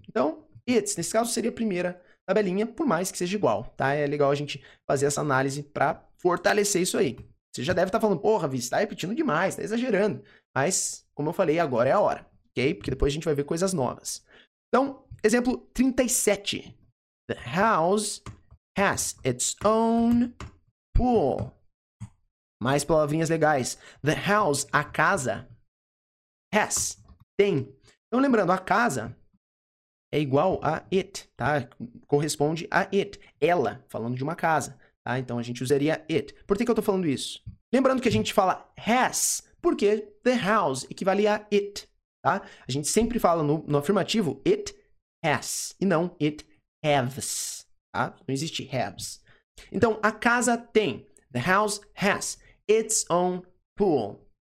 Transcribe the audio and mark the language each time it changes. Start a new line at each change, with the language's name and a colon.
Portuguese: Então, it's, nesse caso, seria a primeira tabelinha, por mais que seja igual, tá? É legal a gente fazer essa análise para fortalecer isso aí. Você já deve estar falando, porra, Vi, você tá repetindo demais, tá exagerando. Mas, como eu falei, agora é a hora, ok? Porque depois a gente vai ver coisas novas. Então, exemplo 37.
English: The house has its own pool.
Portuguese: Mais palavrinhas legais.
English: The house,
Portuguese: a casa, has, tem. Então, lembrando, a casa é igual a it, tá? Corresponde a it, ela, falando de uma casa, tá? Então, a gente usaria it. Por que que eu tô falando isso? Lembrando que a gente fala has, porque
English: the house
Portuguese: equivale a it, tá? A gente sempre fala no afirmativo
English: it has,
Portuguese: e não it has, tá? Não existe has. Então, a casa tem.
English: The house has its own pool.